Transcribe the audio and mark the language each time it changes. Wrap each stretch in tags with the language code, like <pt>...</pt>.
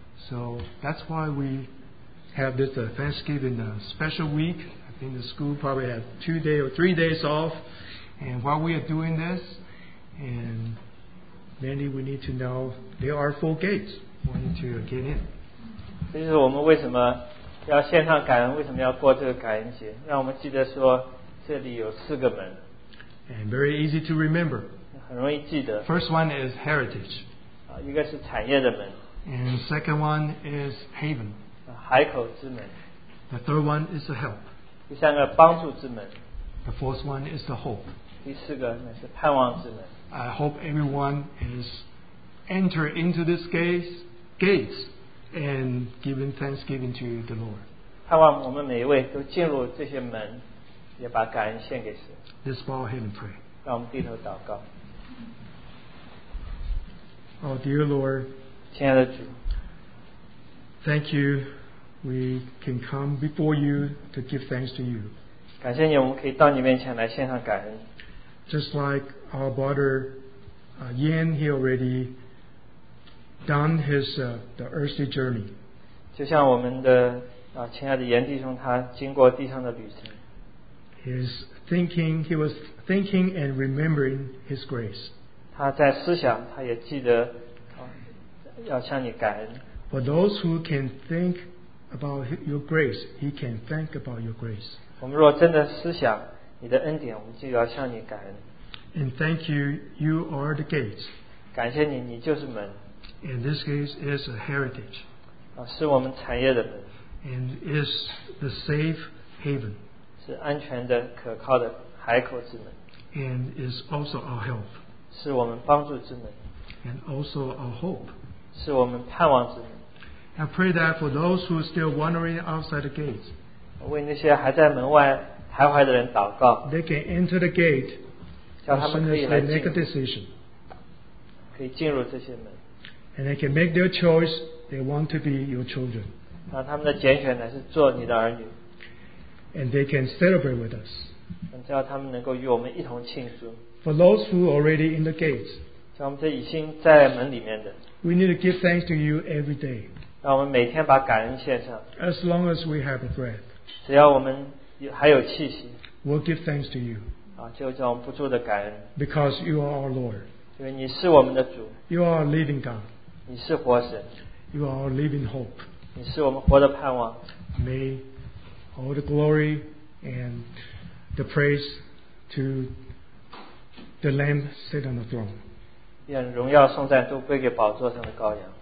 <en>So that's why we have this Thanksgiving special week. I think the school probably has 2 days or 3 days off. And while we are doing this, and mainly we need to know there are four gates. We need to get in.</en> <zh>这就是我们为什么要献上感恩，为什么要过这个感恩节？让我们记得说，这里有四个门。</zh> <en>And very easy to remember.</en> <zh>很容易记得。</zh> <en>First one is heritage.</en> <zh>一个是产业的门。</zh> <en>And the second one is haven.</en> <zh>海口之门。</zh> <en>The third one is the help.</en> <zh>第三个帮助之门。</zh> <en>The fourth one is the hope.</en> <zh>第四个那是盼望之门。</zh> <en>I hope everyone is enter into this gates and giving thanksgiving to the Lord.</en> <zh>盼望我们每一位都进入这些门，也把感恩献给神。</zh> <en>Let's bow him and pray.</en> <zh>让我们低头祷告。</zh> <en>Oh, dear Lord.</en> <zh>亲爱的主。</zh> <en>Thank you. We can come before you to give thanks to you.</en> <zh>感谢你，我们可以到你面前来献上感恩。</zh> <en>Just like our brother Yan, he already done his the earthly journey.</en> <zh>就像我们的亲爱的严弟兄，他经过地上的旅程。</zh> <en>He was thinking and remembering his grace.</en> <zh>他在思想，他也记得要向你感恩。</zh> <en>For those who can think about your grace, he can thank about your grace.</en> <zh>我们若真的思想你的恩典，我们就要向你感恩。</zh> <en>And thank you, you are the gates.</en> <zh>感谢你，你就是门。</zh> <en>And this gate is a heritage.</en> <zh>是我们产业的门。</zh> <en>And is the safe haven.</en> <zh>是安全的可靠的海口之门。</zh> <en>And is also our help.</en> <zh>是我们帮助之门。</zh> <en>And also our hope.</en> <zh>是我们盼望之门。</zh> <en>I pray that for those who are still wandering outside the gates.</en> <zh>为那些还在门外徘徊的人祷告。</zh> <en>They can enter the gate.</en> <zh>叫他们可以来进。</zh> <en>Make a decision.</en> <zh>可以进入这些门。</zh> <en>And they can make their choice. They want to be your children.</en> <zh>让他们的拣选乃是做你的儿女。</zh> <en>And they can celebrate with us.</en> <zh>叫他们能够与我们一同庆祝。</zh> <en>For those who are already in the gates,</en> <zh>叫我们这已经在门里面的。</zh> <en>We need to give thanks to you every day.</en> <zh>让我们每天把感恩献上。</zh> <en>As long as we have a breath,</en> <zh>只要我们还有气息。</zh> <en>We'll give thanks to you.</en> <zh>就叫我们不住的感恩。</zh> <en>Because you are our Lord.</en> <zh>因为你是我们的主。</zh> <en>You are our living God.</en> <zh>你是活神。</zh> <en>You are our living hope.</en> <zh>你是我们活的盼望。</zh> <en>May all the glory and the praise to the Lamb sit on the throne.</en> <zh>愿荣耀颂赞都归给宝座上的羔羊。</zh>